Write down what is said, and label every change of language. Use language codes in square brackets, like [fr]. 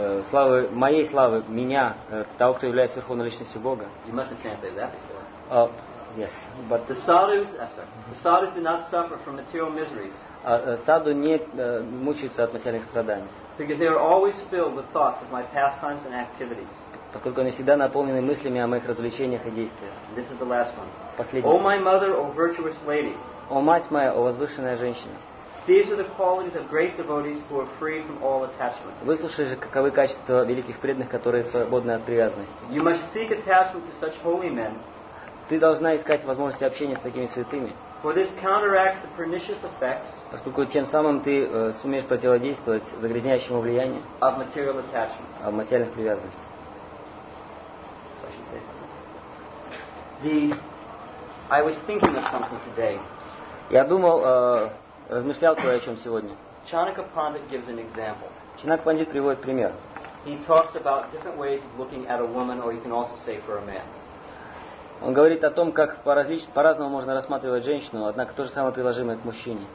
[ru] Славы, моей славы, меня, того, кто является Верховной Личностью Бога. [en] You must have translated that before. Yes, but The sadhus do not suffer from material miseries. [ru] Саду не мучается от материальных страданий. [en] Because they are always filled with thoughts of my pastimes and activities. [ru] Поскольку они всегда наполнены мыслями о моих развлечениях и действиях. [en] This is the last one. [ru] Последний. [en] O my mother, O virtuous lady. [ru] О мать моя, о возвышенная женщина. [en] These are the qualities of great devotees who are free from all attachment. [ru] Выслушай же, каковы качества великих преданных, которые свободны от привязанности. [en] You must seek attachment to such holy men. [ru] Ты должна искать возможности общения с такими святыми. [en] For this counteracts the pernicious effects. [ru] Поскольку тем самым ты сумеешь противодействовать загрязняющему влиянию. [en] Of material attachment. [ru] Об материальных привязанностей. [en] I was thinking of something today. [ru] Я думал. Размышлял кое о чем сегодня. [en] Чанака Пандит gives an example. [ru] Чанака Пандит приводит пример. [en] He talks about different ways of looking at a woman, or you can also say for a man. [ru] Он говорит о том, как по-разному можно рассматривать женщину, однако то же самое приложимое к мужчине.